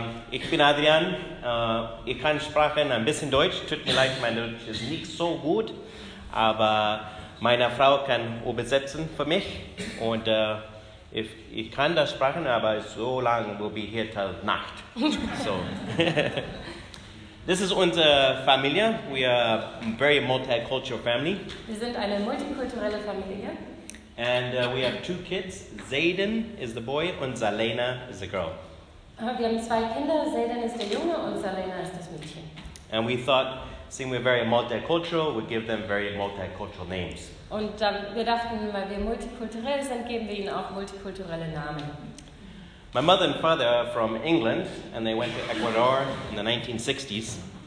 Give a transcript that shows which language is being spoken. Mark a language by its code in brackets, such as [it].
[de] Ich bin Adrian, ich kann Sprachen ein bisschen Deutsch, tut mir leid, mein Deutsch ist nicht so gut, aber meine Frau kann übersetzen für mich und ich kann das Sprachen, aber so lange will ich hier till Nacht. So. [en] This is [de] unsere Familie, [en] we are a very multicultural family. [de] Wir sind eine multikulturelle Familie. [en] And we have two kids. Zayden is the boy and Zalena is the girl. [de] Wir haben zwei Kinder. Zayden ist der Junge und Zalena ist das Mädchen. [en] And we thought, seeing we're very multicultural, we give them very multicultural names. [de] Und wir dachten, weil wir multikulturell sind, geben wir ihnen auch multikulturelle Namen. [en] My mother and father are from England and they went to Ecuador in the 1960s.